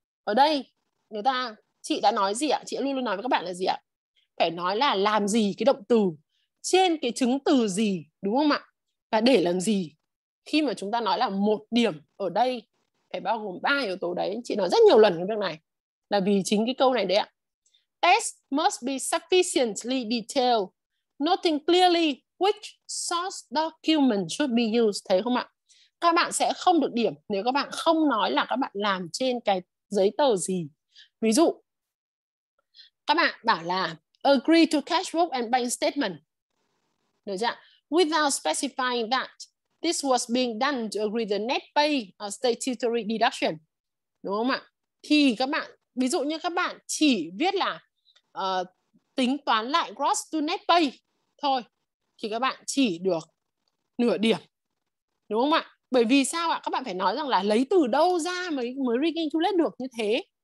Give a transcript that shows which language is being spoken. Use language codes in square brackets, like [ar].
[vi] Ở đây người ta, chị đã nói gì ạ? Chị luôn luôn nói với các bạn là gì ạ? Phải nói là làm gì cái động từ, trên cái chứng từ gì, đúng không ạ? Và để làm gì? Khi mà chúng ta nói là một điểm ở đây phải bao gồm ba yếu tố đấy. Chị nói rất nhiều lần cái việc này, là vì chính cái câu này đấy ạ. [en] Test must be sufficiently detailed, noting clearly which source document should be used. [vi] Thấy không ạ? Các bạn sẽ không được điểm nếu các bạn không nói là các bạn làm trên cái giấy tờ gì. Ví dụ, các bạn bảo là [en] agree to cash book and bank statement, [vi] được chưa? [en] Without specifying that this was being done to agree the net pay or statutory deduction, [vi] đúng không ạ? Thì các bạn, ví dụ như các bạn chỉ viết là tính toán lại gross to net pay thôi, thì các bạn chỉ được nửa điểm, đúng không ạ? Bởi vì sao ạ? Các bạn phải nói rằng là lấy từ đâu ra mới reading to let được như thế.